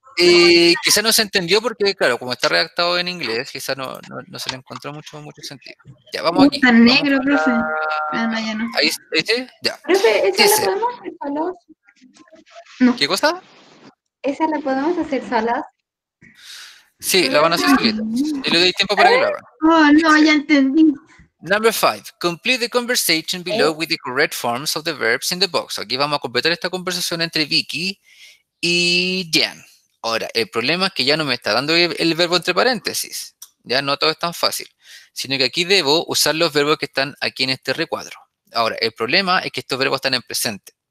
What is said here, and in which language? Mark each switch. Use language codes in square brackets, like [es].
[es] Quizás no se entendió porque, claro, como está redactado en inglés, quizás no se le encontró mucho sentido. Ya, vamos aquí. Está negro, profe. Ahí está, ¿este? Ya. Profe, ¿esa la podemos hacer solas? No. ¿Qué cosa? ¿Esa la podemos hacer solas? Sí, la van a hacer solitas. Y le doy tiempo para que lo hagan. Oh, no, ya entendí. [en] Number 5. Complete the conversation below with the correct forms of the verbs in the box. [es] Aquí vamos a completar esta conversación entre Vicky y Jan. Ahora, el problema es que ya no me está dando el verbo entre paréntesis. Ya no todo es tan fácil. Sino que aquí debo usar los verbos que están aquí en este recuadro. Ahora, el problema es que estos verbos están en presente.